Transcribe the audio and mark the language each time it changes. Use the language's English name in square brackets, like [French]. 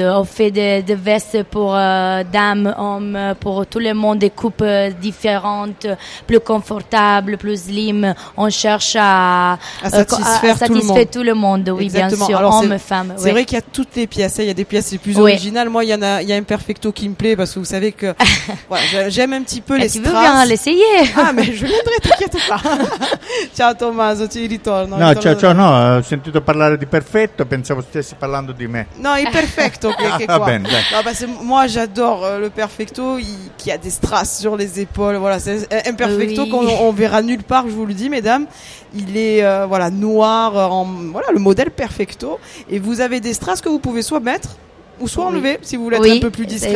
[French] On fait des vestes pour dames, hommes, pour tout le monde, des coupes différentes, plus confortables, plus slim. On cherche à satisfaire tout le monde, oui, exactement. Bien sûr, alors, hommes, femmes. C'est vrai qu'il y a toutes les pièces. Il y a des pièces les plus originales. Oui. Moi, il y a un perfecto qui me plaît parce que vous savez que ouais, j'aime un petit peu les strass. Tu veux bien l'essayer? Ah, mais je viendrai, t'inquiète pas. [Italian] Ciao, Tommaso, ti ritorno. No, ciao, no. Ho sentito parlare di perfetto. Pensavo stessi parlando di me. No, il perfecto. Che qua. [French] Ah, ben, no, parce que moi, j'adore le perfecto qui a des strass sur les épaules. Voilà, c'est un perfecto qu'on verra nulle part, je vous le dis, mesdames. Il est noir, le modèle perfecto. Et vous avez des strass que vous pouvez soit mettre ou soit enlever si vous voulez être un peu plus discrète.